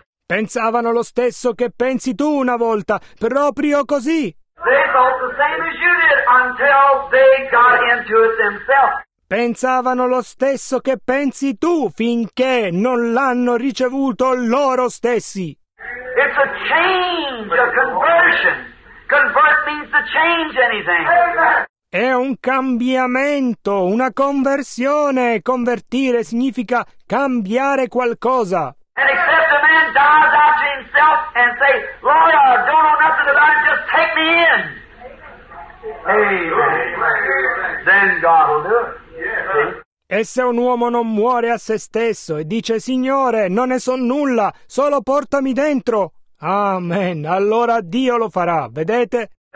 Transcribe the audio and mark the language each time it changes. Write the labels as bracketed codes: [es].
[it] Pensavano lo stesso che pensi tu una volta, proprio così. [en] They thought the same as you did until they got into it themselves. [it] Pensavano lo stesso che pensi tu finché non l'hanno ricevuto loro stessi. [en] It's a change, a conversion. Convert means to change anything. [it] È un cambiamento, una conversione. Convertire significa cambiare qualcosa. [en] And accept a man dies out to himself and say, Lord, I don't know nothing about it, just take me in. Amen. Then God will do it. [it] E se un uomo non muore a se stesso e dice, Signore, non ne so nulla, solo portami dentro. Amen. Allora Dio lo farà, vedete?